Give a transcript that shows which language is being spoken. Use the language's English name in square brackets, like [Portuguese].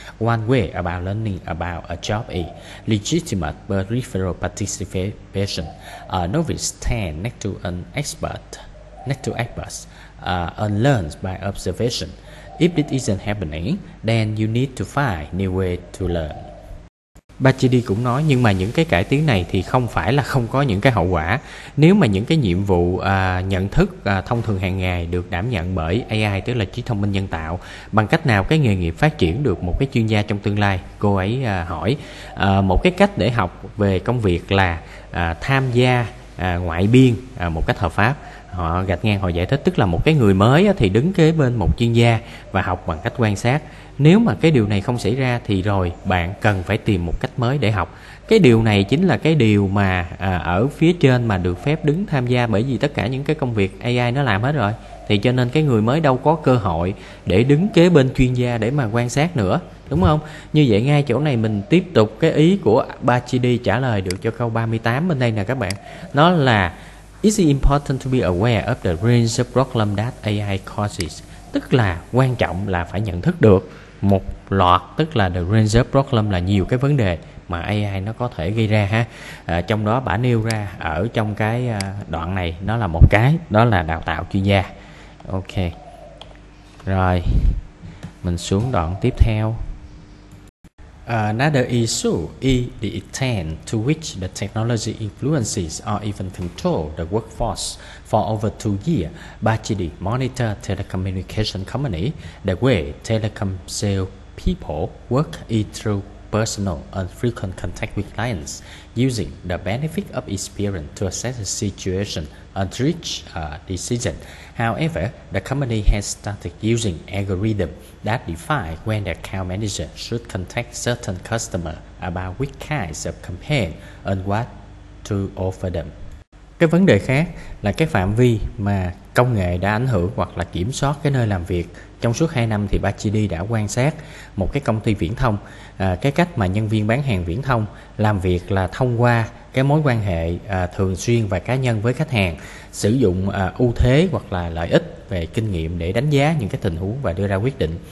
[English] One way about learning about a job is legitimate peripheral participation. A novice stands next to an expert, and learns by observation. If it isn't happening, then you need to find new way to learn. [Vietnamese] Bacchidi cũng nói, nhưng mà những cái cải tiến này thì không phải là không có những cái hậu quả. Nếu mà những cái nhiệm vụ nhận thức thông thường hàng ngày được đảm nhận bởi AI, tức là trí thông minh nhân tạo, bằng cách nào cái nghề nghiệp phát triển được một cái chuyên gia trong tương lai? Cô ấy hỏi. Một cái cách để học về công việc là tham gia ngoại biên một cách hợp pháp. Họ gạch ngang, họ giải thích, tức là một cái người mới thì đứng kế bên một chuyên gia và học bằng cách quan sát. Nếu mà cái điều này không xảy ra thì rồi bạn cần phải tìm một cách mới để học. Cái điều này chính là cái điều mà ở phía trên mà được phép đứng tham gia, bởi vì tất cả những cái công việc AI nó làm hết rồi. Thì cho nên cái người mới đâu có cơ hội để đứng kế bên chuyên gia để mà quan sát nữa, đúng không? Như vậy ngay chỗ này mình tiếp tục cái ý của Bacchidi trả lời được cho câu 38 bên đây nè các bạn. Nó là [English] It's important to be aware of the range of problems that AI causes. [Vietnamese] Tức là quan trọng là phải nhận thức được một loạt, tức là [English] the range of problem [Vietnamese] là nhiều cái vấn đề mà AI nó có thể gây ra ha. Trong đó bả nêu ra ở trong cái đoạn này, nó là một cái, đó là đào tạo chuyên gia. Ok. Rồi, mình xuống đoạn tiếp theo. [English] Another issue is the extent to which the technology influences or even control the workforce. For over 2 years, Bacchidi monitored telecommunication company. The way telecom sales people work is through personal and frequent contact with clients, using the benefit of experience to assess the situation and reach a decision. However, the company has started using algorithms that define when the account manager should contact certain customers about which kinds of campaign and what to offer them. [Vietnamese] Cái vấn đề khác là cái phạm vi mà công nghệ đã ảnh hưởng hoặc là kiểm soát cái nơi làm việc. Trong suốt 2 năm thì Bacchidi đã quan sát một cái công ty viễn thông, cái cách mà nhân viên bán hàng viễn thông làm việc là thông qua cái mối quan hệ thường xuyên và cá nhân với khách hàng, sử dụng ưu thế hoặc là lợi ích về kinh nghiệm để đánh giá những cái tình huống và đưa ra quyết định.